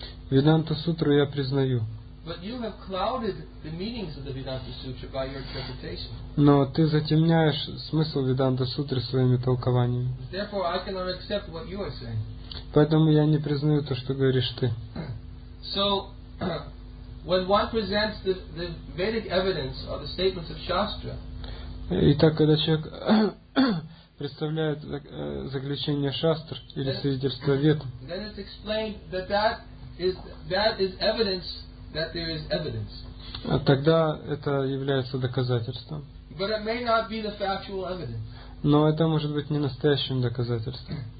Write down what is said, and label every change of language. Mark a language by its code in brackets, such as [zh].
[ru] Веданта Сутру я признаю. [en] But you have clouded the meanings of the Vedanta Sutra by your interpretation. [ru] Но ты затемняешь смысл Веданта Сутры своими толкованиями. [en] Therefore, I cannot accept what you are saying. [ru] Поэтому я не признаю то, что говоришь ты. [en] So, when one presents the Vedic evidence or the statements of Shastra, [ru] итак, когда человек представляет заключение шастр или свидетельство вед, [en] then it's explained that that is evidence that there is evidence. [ru] Тогда это является доказательством. [en] But it may not be the factual evidence. [ru] Но это может быть не настоящим доказательством.